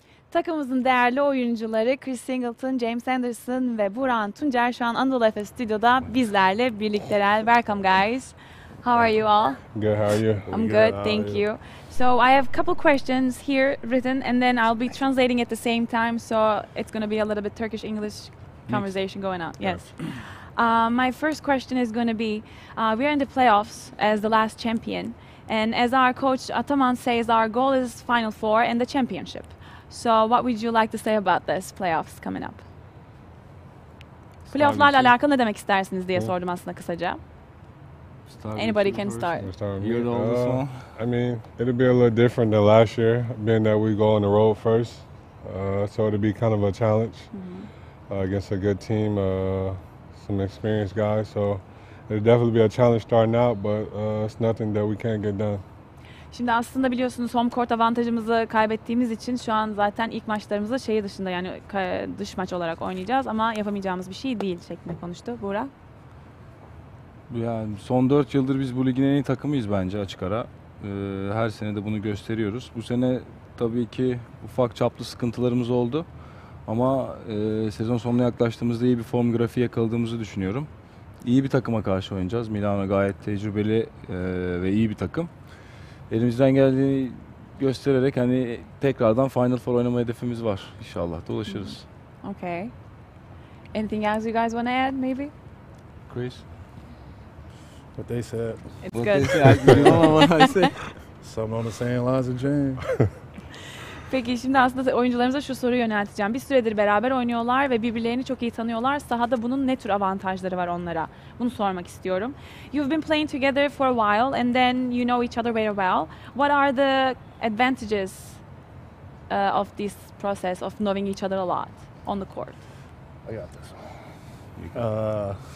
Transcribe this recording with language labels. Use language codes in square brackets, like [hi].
[tr] Takımımızın değerli oyuncuları Chris Singleton, James Anderson ve Burhan Tuncer şu an Anadolu Efes Stüdyo'da bizlerle birlikteler. [en] Welcome guys. How are you all? Good, how are you? I'm good, thank you. So I have a couple questions here written and then I'll be translating at the same time. So it's going to be a little bit Turkish-English conversation going on. Yes. My first question is going to be, we're in the playoffs as the last champion. And as our coach Ataman says, our goal is Final Four and the championship. So what would you like to say about this playoffs coming up? [tr] Playofflarla alakalı ne demek istersiniz diye sordum aslında kısaca. [en] Anybody can start. You're the oldest one. I mean, it'll be a little different than last year, being that we go on the road first. So it'll be kind of a challenge against a good team, some experienced guys. So it'll definitely be a challenge starting out, but it's nothing that we can't get done. [tr] Şimdi aslında biliyorsunuz home court avantajımızı kaybettiğimiz için şu an zaten ilk maçlarımızı şehir dışında, yani dış maç olarak oynayacağız ama yapamayacağımız bir şey değil şeklinde konuştu Burak. Yani son 4 yıldır biz bu ligin en iyi takımıyız bence açık ara. Her sene de bunu gösteriyoruz. Bu sene tabii ki ufak çaplı sıkıntılarımız oldu. Ama sezon sonuna yaklaştığımızda iyi bir form grafiği yakaladığımızı düşünüyorum. İyi bir takıma karşı oynayacağız. Milano gayet tecrübeli ve iyi bir takım. Elimizden geldiğini göstererek hani tekrardan Final Four oynama hedefimiz var. İnşallah da ulaşırız. [en] Okay. Anything else you guys want to add maybe? Chris? What they said. It's what good. They said, you know what I said. Something on the same lines as James. [tr] Peki şimdi aslında oyuncularımıza şu soruyu yönelteceğim. Bir süredir beraber oynuyorlar ve birbirlerini çok iyi tanıyorlar. Sahada bunun ne tür avantajları var onlara? Bunu sormak istiyorum. [en] You've been playing together for a while and then you know each other very well. What are the advantages of this process of knowing each other a lot on the court? I got this one.